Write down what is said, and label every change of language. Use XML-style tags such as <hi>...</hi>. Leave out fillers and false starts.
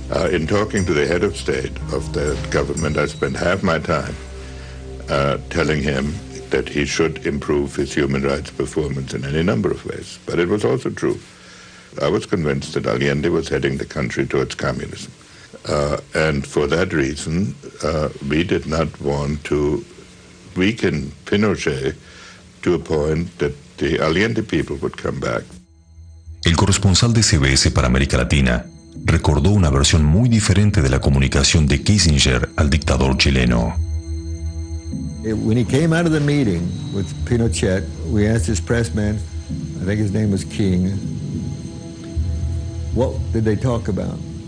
<en>In talking to the head of state of that government, I spent half my time telling him that he should improve his human rights performance in any number of ways. But it was also true I was convinced that Allende was heading the country towards communism. And for that reason, we did not want to weaken Pinochet to a point that the Allende people would come back.</en> <es>El corresponsal de CBS para América Latina recordó una versión muy diferente de la comunicación de Kissinger al dictador chileno.</es> <en>When he came out of the meeting with Pinochet, we asked his press man, I think his name was King, what did they talk about?</en>